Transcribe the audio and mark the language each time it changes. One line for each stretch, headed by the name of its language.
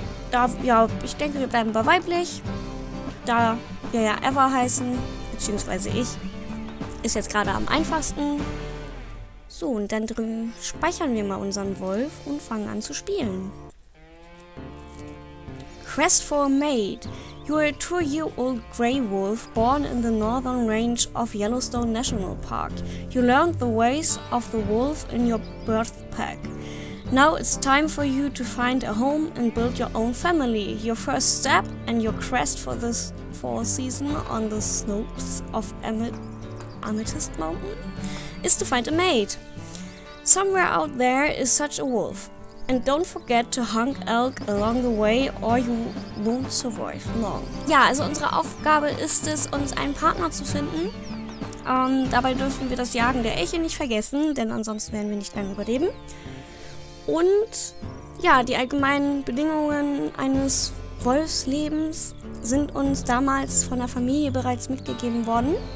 German: Da, ja, ich denke, wir bleiben bei weiblich. Da wir ja Ever heißen, beziehungsweise ich, ist jetzt gerade am einfachsten. So, und dann drüben speichern wir mal unseren Wolf und fangen an zu spielen.
English: Quest for a Mate. You are a 2-year-old grey wolf born in the northern range of Yellowstone National Park. You learned the ways of the wolf in your birth pack. Now it's time for you to find a home and build your own family. Your first step and your crest for this fall season on the slopes of Amethyst Mountain is to find a mate. Somewhere out there is such a wolf. And don't forget to hunt elk along the way or you won't survive long.
German: Ja, also unsere Aufgabe ist es, uns einen Partner zu finden. Dabei dürfen wir das Jagen der Elche nicht vergessen, denn ansonsten werden wir nicht lange überleben. Und ja, die allgemeinen Bedingungen eines Wolfslebens sind uns damals von der Familie bereits mitgegeben worden.